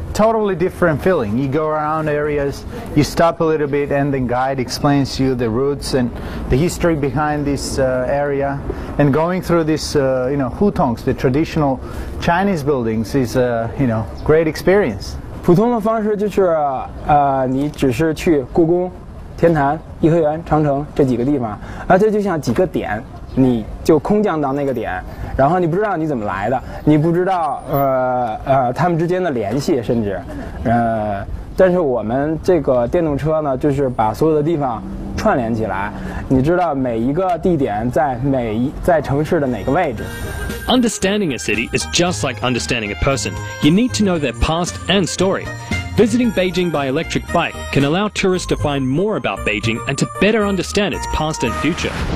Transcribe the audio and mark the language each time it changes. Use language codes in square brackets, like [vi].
[en] Totally different feeling. You go around areas, you stop a little bit, and the guide explains to you the routes and the history behind this area. And going through this, hutongs, the traditional Chinese buildings, is a great experience. [zh] 普通的方式就是，你只是去故宫、天坛、颐和园、长城这几个地方，而且就像几个点，你就空降到那个点。然后你不知道你怎么来的，你不知道他们之间的联系，甚至，但是我们这个电动车呢，就是把所有的地方串联起来，你知道每一个地点在城市的哪个位置。 [en] Understanding a city is just like understanding a person. You need to know their past and story. Visiting Beijing by electric bike can allow tourists to find more about Beijing and to better understand its past and future.